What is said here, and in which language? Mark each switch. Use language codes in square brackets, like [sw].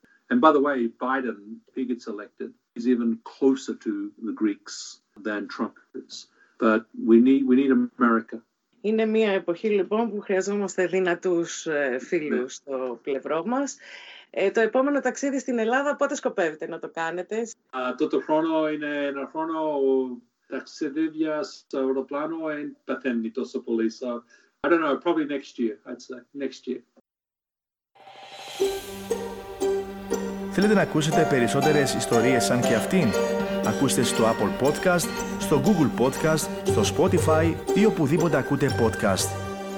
[en] And by the way, Biden, if he gets elected, is even closer to the Greeks than Trump is. But we need America. [el] Είναι μια εποχή λοιπόν που χρειαζόμαστε δυνατούς φίλους στο πλευρό μας. Το επόμενο ταξίδι στην Ελλάδα, πότε σκοπεύετε να το κάνετε? Το χρόνο είναι ένα χρόνο ταξιδίδια στο αεροπλάνο, δεν παθαίνει τόσο πολύ. [en] So, I don't know, probably next year, I'd say, next year. [el] Θέλετε να ακούσετε περισσότερες ιστορίες σαν και αυτήν? Ακούστε στο Apple Podcast, στο Google Podcast, στο Spotify ή οπουδήποτε ακούτε podcast.